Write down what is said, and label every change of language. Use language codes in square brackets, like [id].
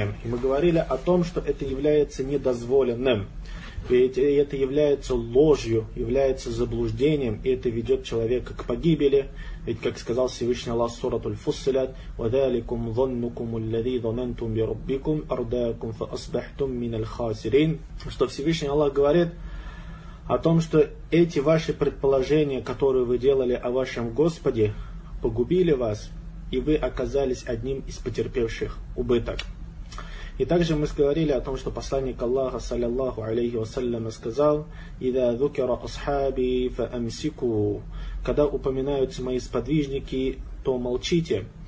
[ru] И мы говорили о том, что это является недозволенным. И это является ложью, является заблуждением, и это ведет человека к погибели. Ведь, как сказал Всевышний Аллах, суратуль Фуссилят, [ar] وَذَلِكُمْ ظَنُّكُمُ الَّذِي ظَنَنْتُمْ بِرَبِّكُمْ أَرْدَاكُمْ فَأَصْبَحْتُمْ مِنَ الْخَاسِرِينَ. [ru] Что Всевышний Аллах говорит о том, что эти ваши предположения, которые вы делали о вашем Господе, погубили вас, и вы оказались одним из потерпевших убыток. И также мы говорили о том, что посланник Аллаха, саллиллаху алейхи вассалям, сказал: [ar] «Иза зукира асхаби фа амсику», [ru] когда упоминаются мои сподвижники, то молчите.